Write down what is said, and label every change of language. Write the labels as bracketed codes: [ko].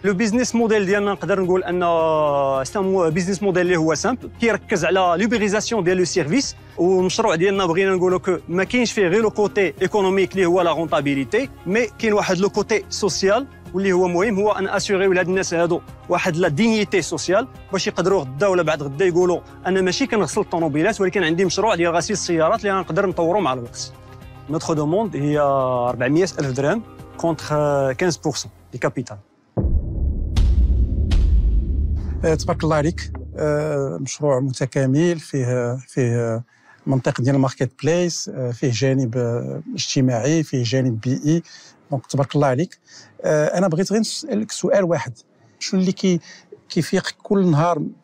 [ar] لو بيزنس موديل ديالنا نقدر نقول ان بيزنس موديل اللي هو سامبل كيركز على لوبيريزاسيون ديال لو سيرفيس، والمشروع ديالنا بغينا نقولوا ما كاينش فيه غير لو كوتي ايكونوميك اللي هو لا رونتابيليتي، مي كاين واحد لو كوتي سوسيال واللي هو مهم هو ان اسيغيو لهاد الناس هادو واحد لا دينيتي سوسيال باش يقدروا غدا ولا بعد غدا يقولوا انا ماشي كنغسل الطوموبيلات ولكن عندي مشروع ديال غسيل السيارات اللي غنقدر نطوره مع الوقت. [fr] Notre demande est à 400,000 dirhams contre 15% du capital. [ar] تبارك الله عليك، مشروع متكامل فيه منطقة ديال الماركت بليس، فيه جانب اجتماعي، فيه جانب بيئي، دونك تبارك الله عليك. أنا بغيت غير نسألك سؤال واحد، شنو اللي كيفيق كل نهار